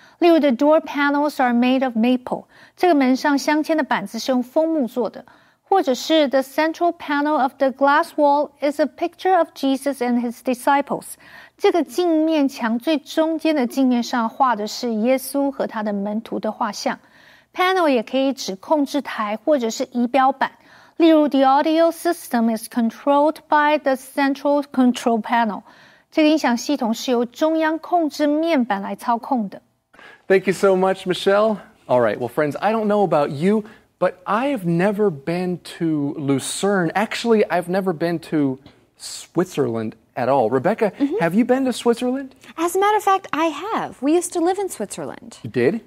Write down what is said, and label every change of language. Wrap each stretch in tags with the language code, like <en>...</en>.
<en>例如 The door panels are made of maple.</en> <zh>这个门上镶嵌的板子是用枫木做的。</zh> <en>或者是 The central panel of the glass wall is a picture of Jesus and his disciples.</en> <zh>这个镜面墙最中间的镜面上画的是耶稣和他的门徒的画像。 Panel 也可以指控制台或者是仪表板。</zh> <en>例如 The audio system is controlled by the central control panel.</en> <zh>这个音响系统是由中央控制面板来操控的。</zh> <en>Thank you so much, Michelle. All right, well, friends, I don't know about you,But I've never been to Lucerne. Actually, I've never been to Switzerland at all. Rebecca, mm-hmm. have you been to Switzerland? As a matter of fact, I have. We used to live in Switzerland. You did?</en>